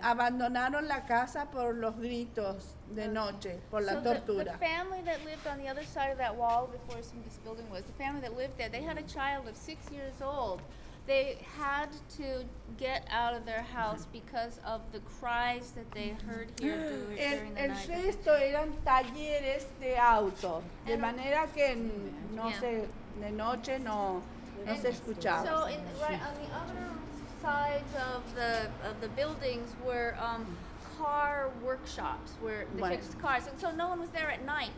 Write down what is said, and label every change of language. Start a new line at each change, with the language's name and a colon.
Spanish: abandonaron la casa por los gritos de noche, por la tortura.
English: The family that lived on the other side of that wall before Cindy's building was, the family that lived there, they had a child of 6 years old. They had to get out of their house because of the cries that they heard here during the night.
Spanish: El resto eran talleres de auto, de manera que de noche no se escuchaba.
English: So on the other sides of the buildings were car workshops where they fixed cars, and so no one was there at night.